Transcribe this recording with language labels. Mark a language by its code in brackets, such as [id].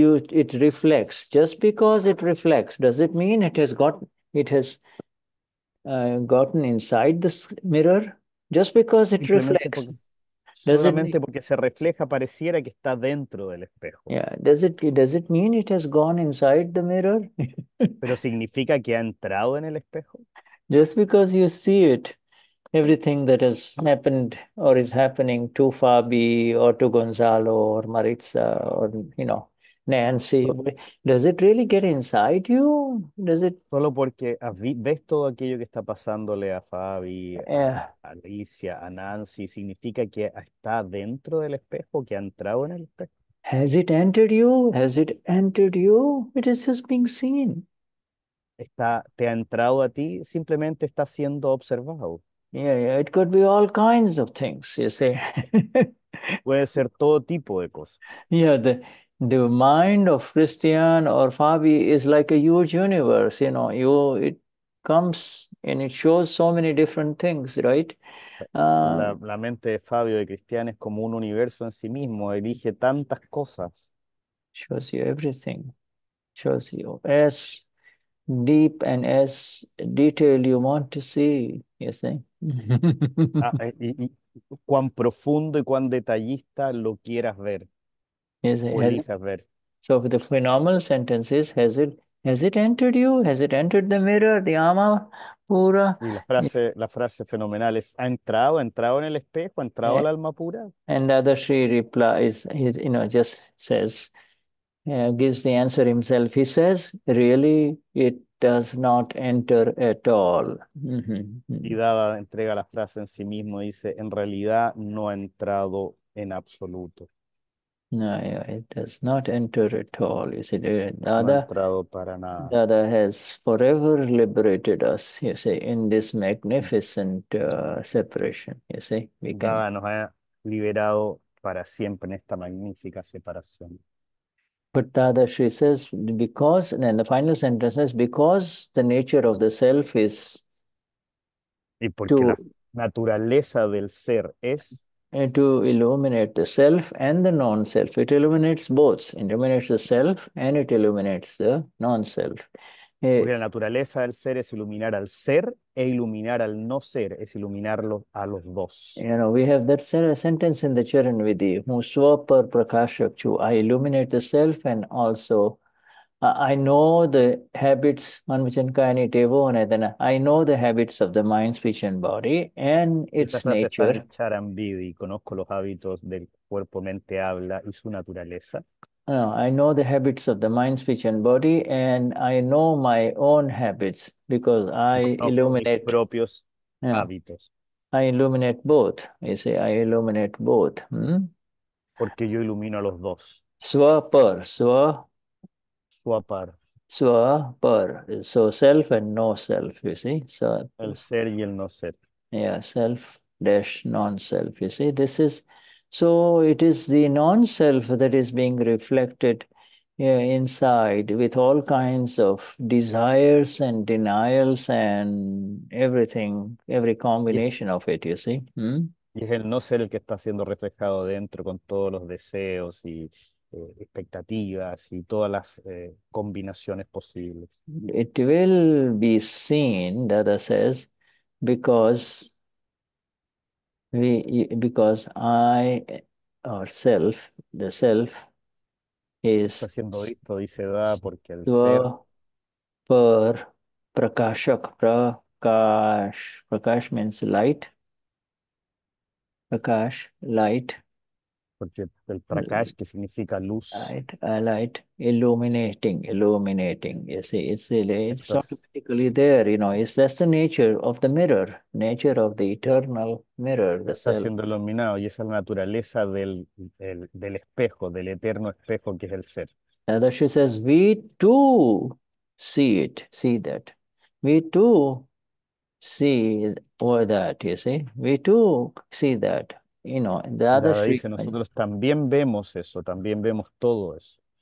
[en] Just because it reflects, does it mean it has gotten inside this mirror? Just because it reflects, [es] solamente porque se refleja pareciera que está dentro del espejo. [en] Yeah, does it mean it has gone inside the mirror? [es] Pero significa que ha entrado en el espejo. [en] Just because you see it, everything that has happened or is happening to Fabi or to Gonzalo or Maritza or, you know, Nancy, does it really get inside you? Does it? [es] Solo porque ves todo aquello que está pasándole a Fabi, a Alicia, a Nancy, ¿significa que está dentro del espejo, que ha entrado en el espejo? [en] Has it entered you? Has it entered you? It is just being seen. [es] ¿Te ha entrado a ti? Simplemente está siendo observado. [en] Yeah, it could be all kinds of things, you see. [es] Puede ser todo tipo de cosas. [en] Yeah, the mind of Christian or Fabi is like a huge universe, you know. It comes and it shows so many different things, right? [es] La mente de Fabio de Cristian es como un universo en sí mismo, elige tantas cosas. [en] Shows you everything. Shows you as deep and as detailed you want to see, you see. [es] Y cuán profundo y cuán detallista lo quieras ver o elijas ver. [en] So the phenomenal sentence is, has it entered you? Has it entered the mirror, the ama pura? [es] Y la frase fenomenal es, ¿ha entrado en el espejo, ha entrado al alma pura? [en] And the other Sri replies, you know, just says, gives the answer himself. He says, really, it does not enter at all. [es] Y Dada entrega la frase en sí mismo, dice, en realidad no ha entrado en absoluto. [en] No, it does not enter at all. You see, [es] No ha entrado para nada. [en] Dada has forever liberated us, you see, in this magnificent separation, you see. We can... [es] Dada nos ha liberado para siempre en esta magnífica separación. [en] But Dada, she says, because, and the final sentence is, because the nature of the self is [es] y porque la naturaleza del ser es [en] to illuminate the self and the non-self. It illuminates both. It illuminates the self and it illuminates the non-self. [es] Porque la naturaleza del ser es iluminar al ser e iluminar al no ser, es iluminarlo a los dos. [en] You know, we have that same sentence in the Charanvidhi, [gu] Muswapar Prakashakchu. [en] I illuminate the self and also I know the habits, [gu] Manvichankayani Tevonadana. [en] I know the habits of the mind, speech, and body and its [es] Esta frase [en] nature. [es] Está en Charanvidhi. Conozco los hábitos del cuerpo, mente, habla y su naturaleza. [en] I know the habits of the mind, speech, and body, and I know my own habits because I [es] Conozco mis [en] illuminate. [es] propios hábitos. [en] I illuminate both. You say I illuminate both. [es] Porque yo ilumino a los dos. Swapar, swa. Swapar. [en] Swapar. So self and no self, you see. So [es] el ser y el no ser. [en] Yeah, self dash non-self, you see. This is, so it is the non-self that is being reflected inside with all kinds of desires and denials and everything, every combination of it, you see. [es] Y es el no ser el que está siendo reflejado dentro con todos los deseos y expectativas y todas las combinaciones posibles. [en] It will be seen, Dada says, because I, or self, the self, is [es] Está siendo visto, dice Da, porque el ser. Per prakashak, prakash. [en] Prakash means light. Prakash, light. [es] Porque el prakash, que significa luz. [en] Light, a light, illuminating, you see, it's automatically there, you know, it's just the nature of the mirror, nature of the eternal mirror, the [es] está [en] self. [es] siendo iluminado y esa es la naturaleza del espejo, del eterno espejo que es el ser. [en] Dadashri says, we too see it, see that. We too see or that, you see, we too see that. You know, the other [es] Dada dice, [en] Shri. [es] nosotros también vemos eso, también vemos todo eso.